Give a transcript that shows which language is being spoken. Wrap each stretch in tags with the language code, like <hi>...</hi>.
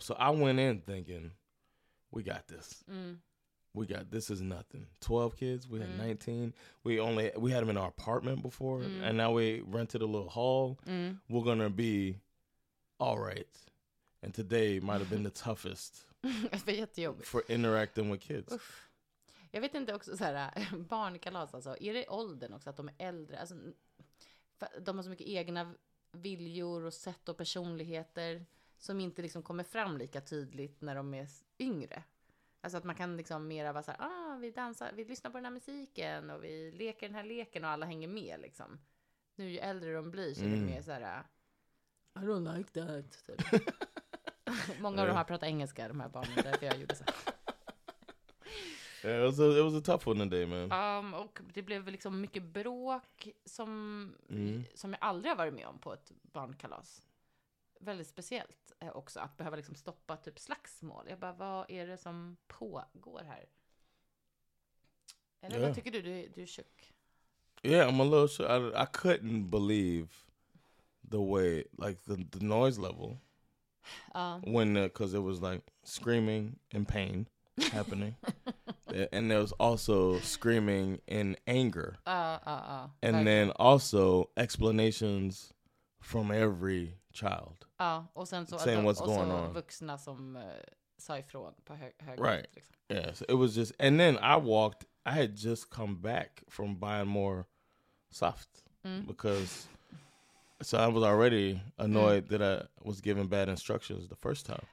<en>So I went in thinking, we got this. We got, this is nothing. 12 kids, we had 19. We had them in our apartment before, and now we rented a little hall. We're gonna be all right. And today might have been the toughest for interacting with kids.</en> <sv>Jag vet inte också, såhär, barnkalas, alltså, är det åldern också, att de är äldre? Alltså, de har så mycket egna viljor och sätt och personligheter som inte liksom kommer fram lika tydligt när de är yngre. Alltså att man kan liksom mera vara så här, vi dansar, vi lyssnar på den här musiken och vi leker den här leken och alla hänger med liksom. Nu ju äldre de blir så är det mer så här,</sv> <en>I don't like that. Typ.</en> <sv>Många av dem har pratat engelska, de här barnen, därför jag gjorde så här.</sv> <en>it was a tough one today, man.</en> <sv>Och det blev liksom mycket bråk som jag aldrig har varit med om på ett barnkalas. Väldigt speciellt också att behöva liksom stoppa typ slagsmål. Jag bara, vad är det som pågår här? Eller vad tycker du? Du är tjock.</sv> <en>Yeah, I'm a little shook. I couldn't believe the way, like the noise level. Because it was like screaming and pain happening. And there was also screaming in anger. And then also explanations from every child.</en> <sv>Ja, och sen så saying att de,</sv> <en>what's going on.</en> <sv>Vuxna som sa ifrån på höger.</sv> <en>Right. Liksom. Yeah, so it was just, and then I had just come back from buying more soft because, so I was already annoyed that I was given bad instructions the first time.</en>